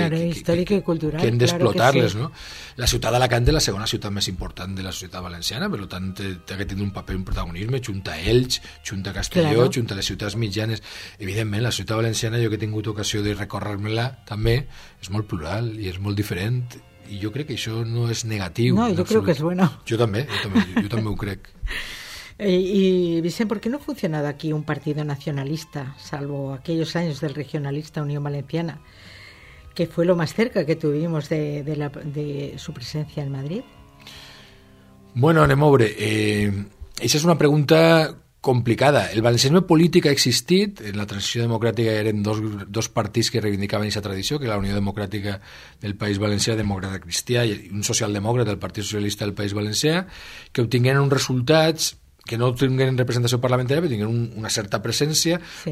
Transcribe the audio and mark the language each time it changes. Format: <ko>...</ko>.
<ca>hem d'explotar-les, claro, sí, no? La ciutat d'Alacant és la segona ciutat més important de la societat valenciana, per tant ha de tenir un paper, un protagonisme, junta Elx, junta Castelló, claro, junta les ciutats mitjanes. Evidentment, la societat valenciana, jo que he tingut ocasió de recorrer-me-la també, és molt plural i és molt diferent, i jo crec que això no és negatiu. No, jo crec que és bueno. Jo també ho crec.</ca> <es>Y Vicent, ¿por qué no ha funcionado aquí un partido nacionalista, salvo aquellos años del regionalista Unión Valenciana, que fue lo más cerca que tuvimos de su presencia en Madrid? Bueno, Nemobre, esa es una pregunta complicada.</es> <ca>El valencianisme polític ha existit. En la transició democràtica eren dos partits que reivindicaven aquesta tradició, que era la Unió Democràtica del País Valencià, Demòcrata Cristià, i un socialdemòcrata, el Partit Socialista del País Valencià, que obtingueren uns resultats que no tinguin representació parlamentària, però tinguin una certa presència. Sí.</ca>